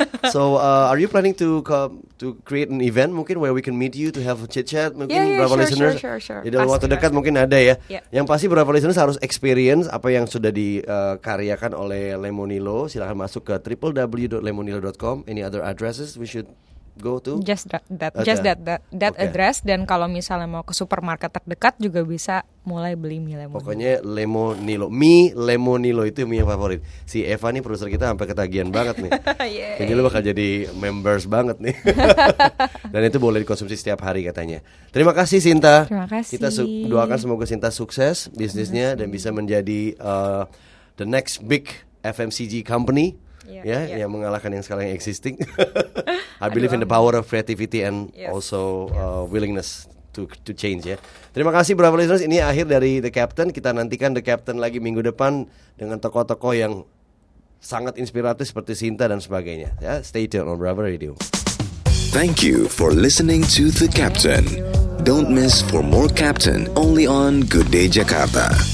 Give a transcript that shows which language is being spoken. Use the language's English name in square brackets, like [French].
[English] So, are you planning to create an event mungkin where we can meet you to have a chit-chat? [Indonesian] Mungkin [English] sure. [Indonesian] Jadi dalam waktu dekat mungkin ada ya. Yeah. Yang pasti berapa listeners harus experience apa yang sudah dikaryakan oleh Lemonilo. Silakan masuk ke www.lemonilo.com. [English] Any other addresses we should go to? Just that okay. Address. [Indonesian] Dan kalau misalnya mau ke supermarket terdekat juga bisa mulai beli mie Lemonilo. Pokoknya Lemonilo itu mie yang favorit. Si Eva nih produser kita sampai ketagihan banget nih. Jadi lu bakal jadi members banget nih. Dan itu boleh dikonsumsi setiap hari katanya. Terima kasih Sinta. Terima kasih. Kita doakan semoga Sinta sukses bisnisnya dan bisa menjadi [English] the next big FMCG company. [Indonesian] Yeah. Yang mengalahkan yang sekarang existing. [English] I believe in the power of creativity and also willingness to change ya. [Indonesian] Terima kasih Bravo Listeners, ini akhir dari The Captain. Kita nantikan The Captain lagi minggu depan dengan tokoh-tokoh yang sangat inspiratif seperti Sinta dan sebagainya ya. [English] Stay tuned on Bravo Radio. Thank you for listening to The Captain. Don't miss for more Captain only on Good Day Jakarta.